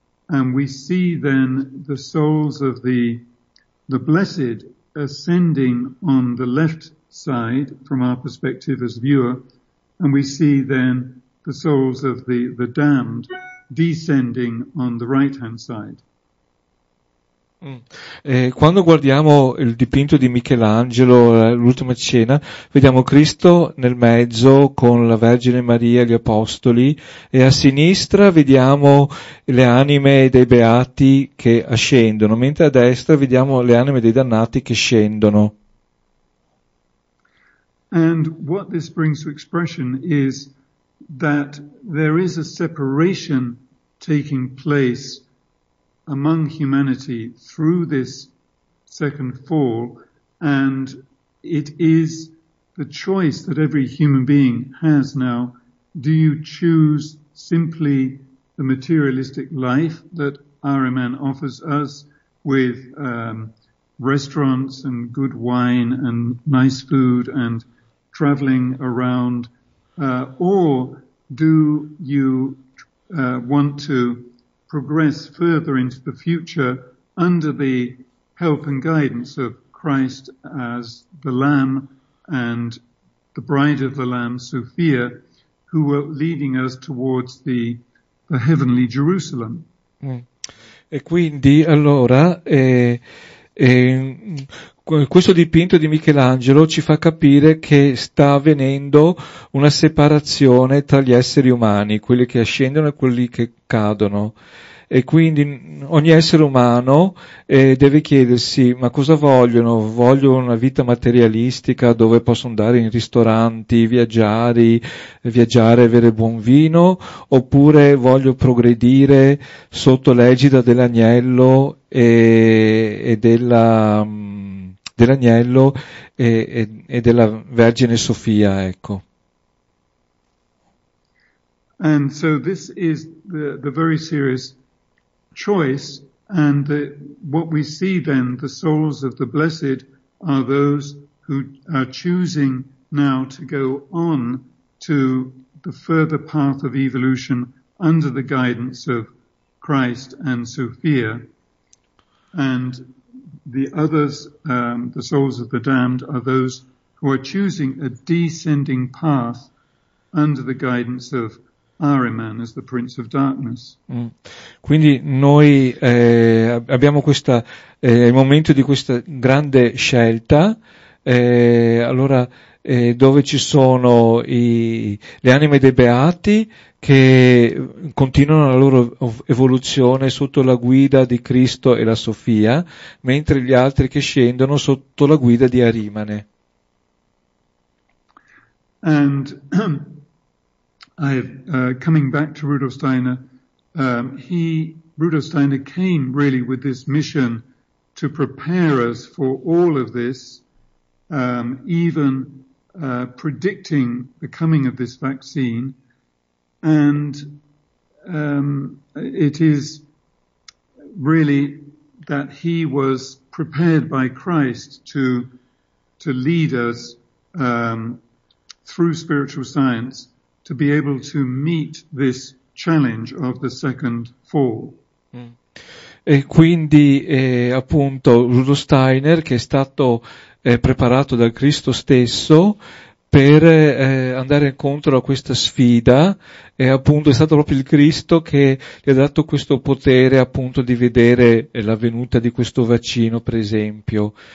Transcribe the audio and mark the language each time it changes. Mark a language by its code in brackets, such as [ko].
[en] And we see then the souls of the blessed ascending on the left side from our perspective as viewer, and we see then the souls of the damned descending on the right hand side. [it] Quando guardiamo il dipinto di Michelangelo, l'ultima cena, vediamo Cristo nel mezzo con la Vergine Maria e gli apostoli, e a sinistra vediamo le anime dei beati che ascendono, mentre a destra vediamo le anime dei dannati che scendono. [en] And what this brings to expression is that there is a separation taking place among humanity through this second fall, and it is the choice that every human being has now. Do you choose simply the materialistic life that Ahriman offers us with restaurants and good wine and nice food and traveling around, or do you want to progress further into the future under the help and guidance of Christ as the Lamb and the Bride of the Lamb, Sophia, who were leading us towards the heavenly Jerusalem? [it] E quindi allora questo dipinto di Michelangelo ci fa capire che sta avvenendo una separazione tra gli esseri umani, quelli che ascendono e quelli che cadono. E quindi ogni essere umano deve chiedersi: ma cosa vogliono? Voglio una vita materialistica dove posso andare in ristoranti, viaggiare, avere buon vino, oppure voglio progredire sotto l'egida dell'agnello e della Vergine Sofia, ecco. [en] And so this is the very serious choice, and what we see then, the souls of the blessed are those who are choosing now to go on to the further path of evolution under the guidance of Christ and Sophia, and the others, the souls of the damned, are those who are choosing a descending path under the guidance of Ahriman as the Prince of Darkness. [it] Quindi noi abbiamo questa il momento di questa grande scelta, allora dove ci sono le anime dei beati che continuano la loro evoluzione sotto la guida di Cristo e la Sofia, mentre gli altri che scendono sotto la guida di Ahrimane. [en] And I coming back to Rudolf Steiner, Rudolf Steiner came really with this mission to prepare us for all of this, even predicting the coming of this vaccine. And it is really that he was prepared by Christ to lead us through spiritual science to be able to meet this challenge of the second fall. [it] E quindi appunto Rudolf Steiner, che è stato preparato dal Cristo stesso per andare incontro a questa sfida, e appunto è stato proprio il Cristo che gli ha dato questo potere appunto di vedere l'avvenuta di questo vaccino, per esempio.